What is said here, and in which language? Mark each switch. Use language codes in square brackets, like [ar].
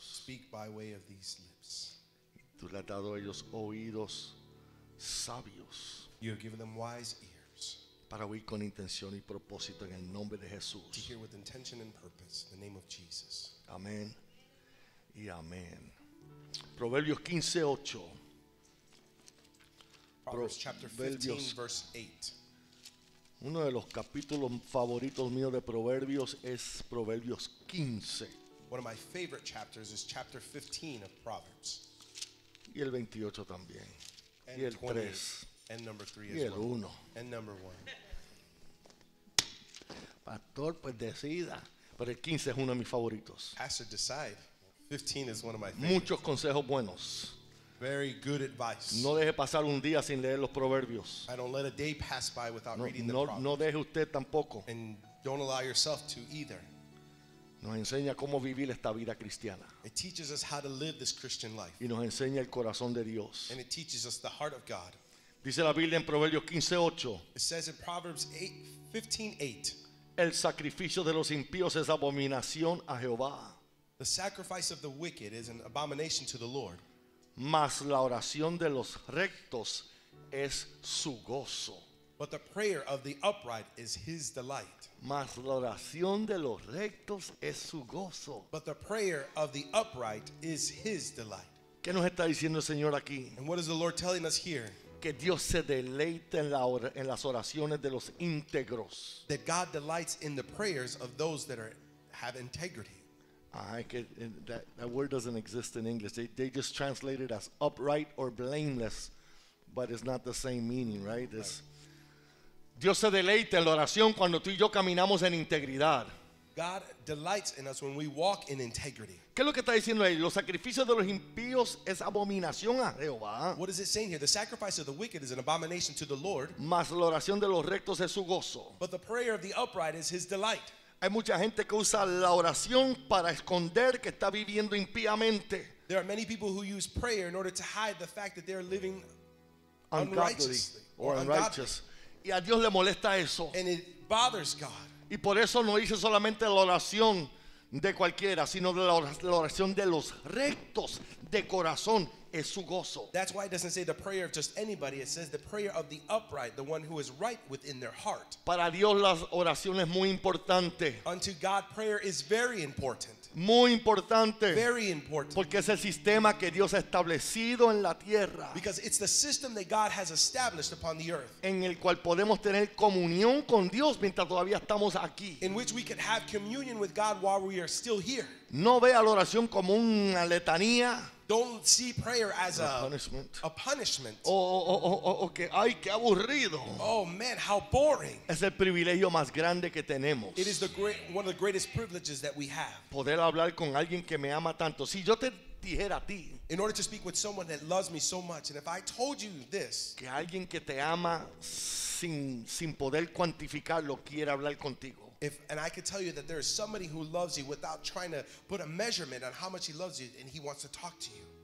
[en] Speak by way of these lips. [es] Tú le has dado a ellos oídos sabios. [en] You have given them wise ears. [es] Para oír con intención y propósito en el nombre de Jesús. [en] To hear with intention and purpose in the name of Jesus. [es] Amén y amén. Proverbios 15:8. [en] Proverbs chapter 15, verse 8. [es] Uno de los capítulos favoritos míos de Proverbios es Proverbios 15. [en] One of my favorite chapters is chapter 15 of Proverbs. [es] Y el 28 también. [en] And [es] y el 20, 3. [en] And number 3 [es] y [en] as [es] el 1. [en] Well. And number 1. [es] Pastor, pues decida. Pero el 15 es uno de mis favoritos. [en] Pastor, decide. 15 is one of my favorites. [es] Muchos consejos buenos. [en] Very good advice. [es] No deje pasar un día sin leer los proverbios. [en] I don't let a day pass by without no, reading no, the proverbs. [es] No deje usted tampoco. [en] And don't allow yourself to either. [es] Nos enseña cómo vivir esta vida cristiana. [en] It teaches us how to live this Christian life. [es] Y nos enseña el corazón de Dios. [en] And it teaches us the heart of God. [es] Dice la Biblia en Proverbios 15:8. [en] It says in Proverbs 15:8. [es] El sacrificio de los impíos es abominación a Jehová. [en] The sacrifice of the wicked is an abomination to the Lord. [es] Mas la oración de los rectos es su gozo. [en] But the prayer of the upright is his delight. [es] Mas la oración de los rectos es su gozo. [en] But the prayer of the upright is his delight. [es] ¿Qué nos está diciendo el Señor aquí? [en] And what is the Lord telling us here? [es] Que Dios se deleita en las oraciones de los íntegros. [en] That God delights in the prayers of those that are, have integrity. I could, that word doesn't exist in English. They just translate it as upright or blameless, but it's not the same meaning, right? It's, [es] Dios se deleita en la oración cuando tú y yo caminamos en integridad. [en] God delights in us when we walk in integrity. [es] ¿Qué es lo que está diciendo ahí? Los sacrificios de los impíos es abominación a Jehová. [en] What is it saying here? The sacrifice of the wicked is an abomination to the Lord. [es] Mas la oración de los rectos es su gozo. [en] But the prayer of the upright is his delight. [es] Hay mucha gente que usa la oración para esconder que está viviendo impíamente. [en] There are many people who use prayer in order to hide the fact that they are living unrighteously or unrighteous. [es] Y a Dios le molesta eso. [en] And it bothers God. [es] Y por eso no dice solamente la oración de cualquiera, sino la oración de los rectos de corazón es su gozo. [en] That's why it doesn't say the prayer of just anybody. It says the prayer of the upright, the one who is right within their heart. [es] Para Dios la oración es muy importante. [en] Unto God prayer is very important. [es] Muy importante. [en] Very important. [es] Porque es el sistema que Dios ha establecido en la tierra. [en] Because it's the system that God has established upon the earth. [es] En el cual podemos tener comunión con Dios mientras todavía estamos aquí. [en] In which we can have communion with God while we are still here. [es] No vea la oración como una letanía. [en] Don't see prayer as a punishment. Oh, okay. [es] Ay, qué aburrido. [en] Oh man, how boring. [es] Es el privilegio más grande que tenemos. [en] It is one of the greatest privileges that we have. [es] Poder hablar con alguien que me ama tanto. Si yo te dijera a ti. [en] In order to speak with someone that loves me so much, and if I told you this. [es] Que alguien que te ama sin poder cuantificarlo quiere hablar contigo. [en] And I could tell you that there is somebody who loves you without trying to put a measurement on how much he loves you, and he wants to talk to you.